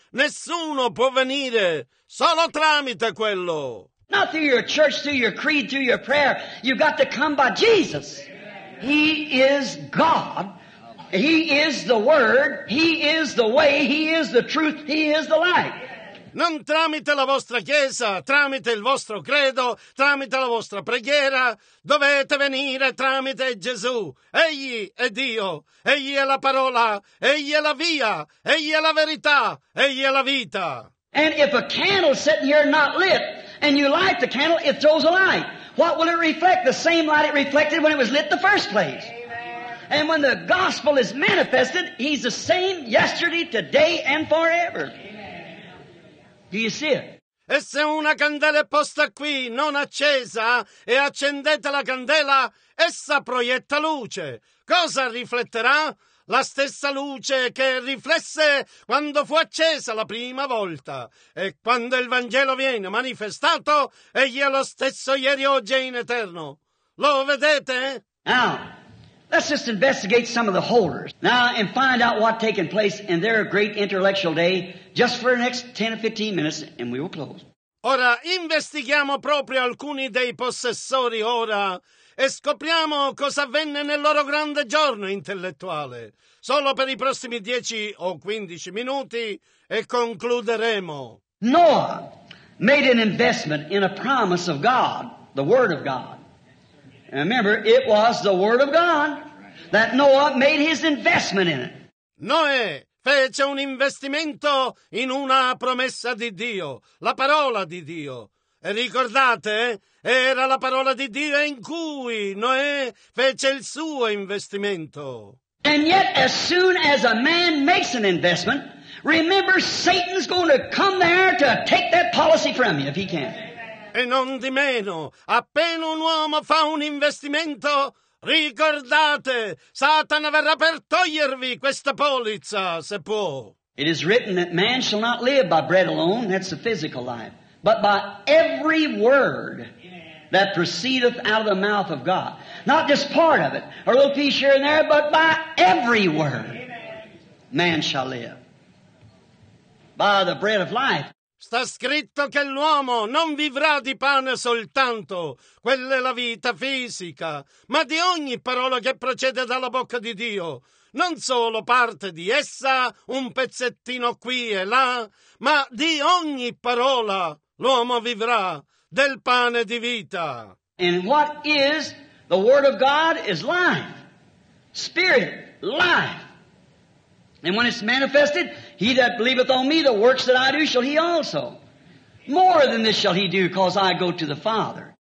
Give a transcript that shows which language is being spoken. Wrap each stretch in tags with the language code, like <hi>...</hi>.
<it>Nessuno può venire solo tramite quello.</it> <en>Not through your church, through your creed, through your prayer. You've got to come by Jesus. He is God. He is the Word. He is the way. He is the truth. He is the light.</en> <it>Non tramite la vostra chiesa, tramite il vostro credo, tramite la vostra preghiera. Dovete venire tramite Gesù. Egli è Dio. Egli è la parola. Egli è la via. Egli è la verità. Egli è la vita.</it> <en>And if a candle sitting here not lit, and you light the candle, it throws a light. What will it reflect? The same light it reflected when it was lit the first place. Amen. And when the gospel is manifested, He's the same yesterday, today, and forever. Do you see it?</en> <it>E se una candela è posta qui, non accesa, e accendete la candela, essa proietta luce. Cosa rifletterà? La stessa luce che riflesse quando fu accesa la prima volta. E quando il Vangelo viene manifestato, egli è lo stesso ieri, oggi e in eterno. Lo vedete?</it> <en>Now, let's just investigate some of the holders. Now, and find out what's taking place in their great intellectual day, just for the next 10 or 15 minutes, and we will close.</en> <it>Ora, investighiamo proprio alcuni dei possessori ora, e scopriamo cosa avvenne nel loro grande giorno intellettuale. Solo per i prossimi 10 o 15 minuti e concluderemo.</it> <en>Noah made an investment in a promise of God, the Word of God. And remember, it was the Word of God that Noah made his investment in it.</en> <it>Noè fece un investimento in una promessa di Dio, la parola di Dio. E ricordate, era la parola di Dio in cui Noè fece il suo investimento.</it> <en>And yet, as soon as a man makes an investment, Remember, Satan's going to come there to take that policy from you if he can.</en> <it>E non di meno, appena un uomo fa un investimento, ricordate, Satana verrà per togliervi questa polizza, se può.</it> <en>It is written that man shall not live by bread alone, that's the physical life, but by every word that proceedeth out of the mouth of God. Not just part of it, or a little piece here and there, but by every word man shall live. By the bread of life.</en> <it>Sta scritto che l'uomo non vivrà di pane soltanto, quella è la vita fisica, ma di ogni parola che procede dalla bocca di Dio. Non solo parte di essa, un pezzettino qui e là, ma di ogni parola l'uomo vivrà, del pane di vita.</it> <en>And what is the word of God is life, spirit, life. And when it's manifested, he that believeth on me, the works that I do shall he also. More than this shall he do, cause I go to the Father.</en>